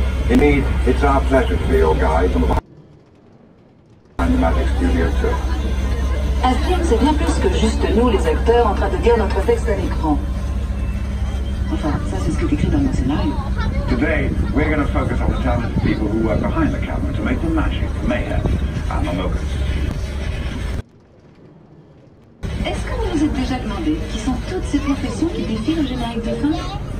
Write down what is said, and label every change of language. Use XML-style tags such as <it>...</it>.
<en>Indeed, it's our pleasure to be your guide on the Behind the Magic Studio Tour.</en> <fr>Un film, c'est bien plus que juste nous, les acteurs, en train de dire notre texte à l'écran. Enfin, ça c'est ce qui est écrit dans mon scénario.</fr> <en>Today, we're going to focus on the talented people who work behind the camera to make the magic, the mayhem, and the locusts.</en> <fr>Est-ce que vous vous êtes déjà demandé qui sont toutes ces professions qui défient le générique de fin?</fr>